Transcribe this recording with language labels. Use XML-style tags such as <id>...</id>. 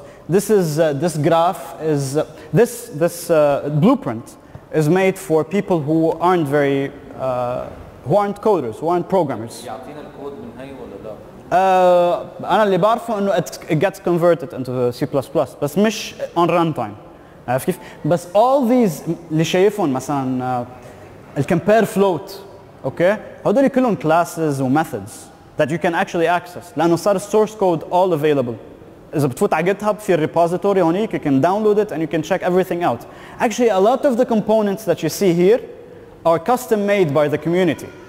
<en>This is this graph is this blueprint is made for people who aren't very who aren't coders, who aren't programmers.</en> <ar>يعطينا الكود من هاي ولا لا؟ انا اللي بعرفه انه</ar> <en>it gets converted into C++</en> <ar>بس مش</ar> <en>on runtime.</en> <ar>عارف كيف؟ بس</ar> <en>all these</en> <ar>اللي شايفهم مثلا الكمبير فلوت اوكي هذول كلهم كلاسز وميثودز</ar> <en>that you can actually access</en> <ar>لانه صار السورس كود</ar> <en>all available.</en> <ar>اذا بتفوت على جيت هاب في الريبوزيتوري هونيك</ar> <en>you can download it and you can check everything out. Actually a lot of the components that you see here are custom made by the community.</en>